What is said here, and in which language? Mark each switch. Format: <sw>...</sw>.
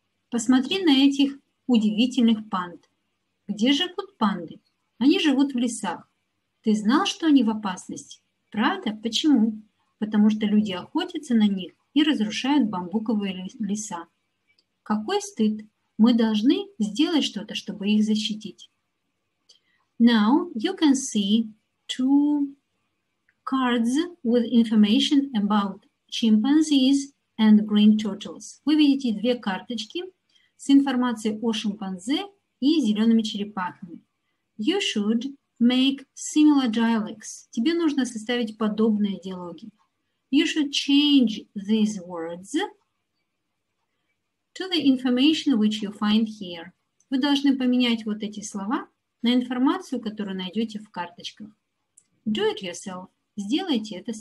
<ru>Посмотри на этих удивительных панд. Где живут панды? Они живут в лесах. Ты знал, что они в опасности? Правда? Почему? Потому что люди охотятся на них и разрушают бамбуковые леса. Какой стыд! Мы должны сделать что-то, чтобы их защитить.</ru> <en>Now you can see two cards with information about chimpanzees and green turtles.</en> <ru>Вы видите две карточки с информацией о шимпанзе и зелеными черепахами.</ru> <en>You should make similar dialogues.</en> <ru>Тебе нужно составить подобные диалоги.</ru> <en>You should change these words to the information which you find here.</en> <ru>Вы должны поменять вот эти слова на информацию, которую найдете в карточках.</ru> <en>Do it yourself.</en> <ru>Сделайте это сами.</ru>